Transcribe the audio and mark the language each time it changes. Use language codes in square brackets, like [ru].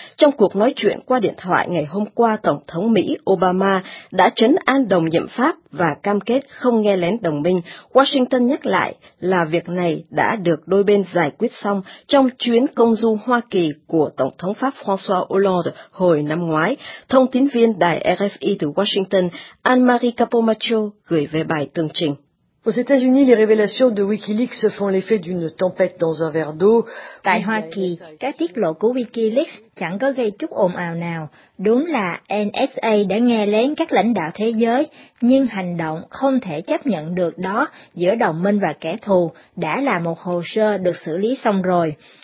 [vi] Trong cuộc nói chuyện qua điện thoại ngày hôm qua, Tổng thống Mỹ Obama đã trấn an đồng nhiệm Pháp và cam kết không nghe lén đồng minh. Washington nhắc lại là việc này đã được đôi bên giải quyết xong trong chuyến công du Hoa Kỳ của Tổng thống Pháp François Hollande hồi năm ngoái. Thông tín viên đài RFI từ Washington, Anne-Marie Capomaccio, gửi về bài tường trình. [fr] Aux États-Unis, les révélations de WikiLeaks se font l'effet d'une tempête dans un verre d'eau. [vi] Tại Hoa Kỳ, các tiết lộ của WikiLeaks chẳng có gây chút ồn ào nào. Đúng là NSA đã nghe lén các lãnh đạo thế giới, nhưng hành động không thể chấp nhận được đó giữa đồng minh và kẻ thù đã là một hồ sơ được xử lý xong rồi.